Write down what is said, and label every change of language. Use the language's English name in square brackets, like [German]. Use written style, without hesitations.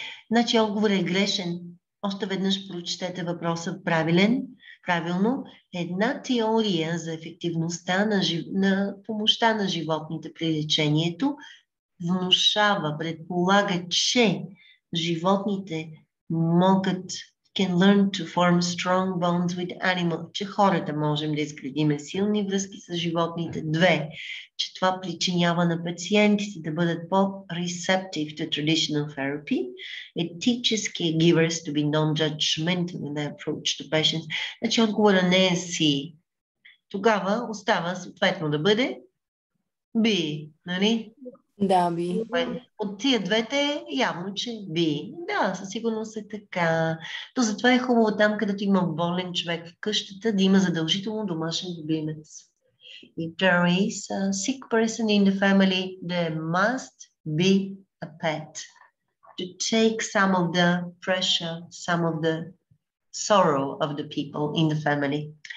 [Bulgarian] Значи отговорът е грешен. Още веднъж прочетете въпроса правилно. Една теория за ефективността на помощта на животните при лечението внушава, предполага, че животните могат [English] can learn to form strong bonds with animals. [Bulgarian] Че хората можем да изградим силни връзки с животните. Две, че това причинява на пациентите да бъдат по- [English] receptive to traditional therapy. It teaches caregivers to be non-judgmental when they approach the patients. [Bulgarian] Значи отговора не е C. Тогава остава съответно да бъде B, нали? Да, би. От тия двете е явно, че би. Да, със сигурност е така. То затова е хубаво там, където има болен човек в къщата, да има задължително домашен любимец. [English] If there is a sick person in the family, there must be a pet to take some of the pressure, some of the sorrow of the people in the family.